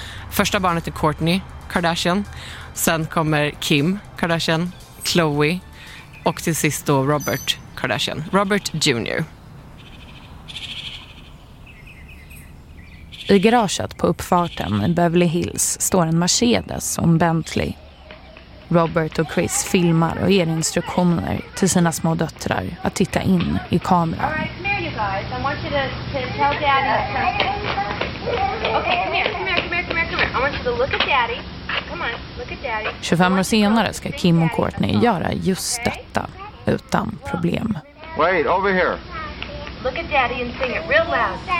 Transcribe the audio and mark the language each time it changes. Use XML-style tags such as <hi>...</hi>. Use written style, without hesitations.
<sv>Första barnet är Courtney Kardashian, sen kommer Kim Kardashian, Khloe och till sist då Robert Kardashian, Robert Jr. I garaget på uppfarten i Beverly Hills står en Mercedes och en Bentley. Robert och Chris filmar och ger instruktioner till sina små döttrar att titta in i kameran.</sv> <en>All right, come here you guys. I want you to tell daddy something. Okay, come here. I want you to look at daddy. Come on, look at daddy.</en> <sv>25 år senare ska Kim och Courtney göra just detta utan problem.</sv> <en>Wait, over here. Look at daddy and sing it real loud.</en>